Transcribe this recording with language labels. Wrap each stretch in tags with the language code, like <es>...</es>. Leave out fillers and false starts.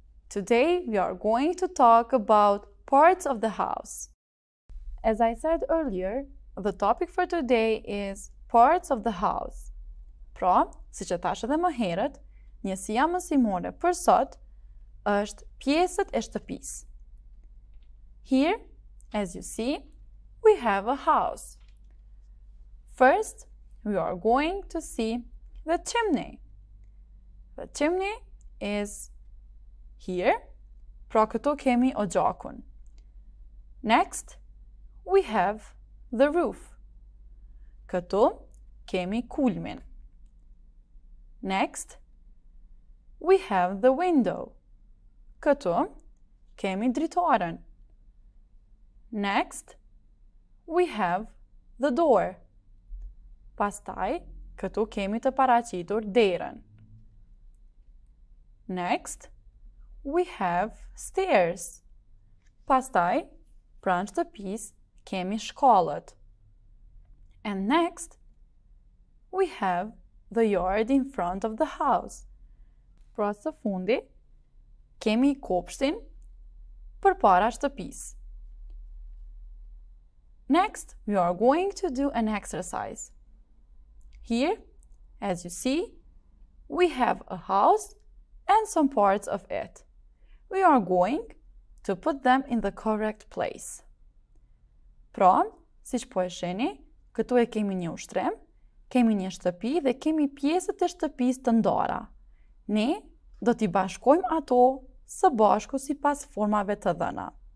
<en>Today we are going to talk about parts of the house. As I said earlier, the topic for today is parts of the house.</en> <sq>Pra, si që thash edhe më herët, njësia mësimore për sot është pjesët e shtëpisë.</sq> <en>Here, as you see, we have a house. First, we are going to see the chimney. The chimney is here,</en> <sq>pra këto kemi ogjakun.</sq> <en>Next, we have the roof.</en> <sq>Këto kemi kulmin.</sq> <en>Next, we have the window.</en> <sq>Këto kemi dritaren.</sq> <en>Next, we have the door.</en> <sq>Pastaj, këto kemi të paraqitur derën.</sq> <en>Next, we have stairs.</en> <sq>Pastaj, pranë shtëpisë kemi shkollët.</sq> <en>And next, we have the yard in front of the house.</en> <sq>Pra së fundi, kemi kopshtin përpara shtëpisë.</sq> <en>Next, we are going to do an exercise. Here, as you see, we have a house and some parts of it. We are going to put them in the correct place.</en> <sq>Pra, siç po e sheni, këtu e kemi një ushtrim, kemi një shtëpi dhe kemi pjesët e shtëpisë të ndara. Ne do t'i bashkojmë ato së bashku sipas formave të dhëna.</sq>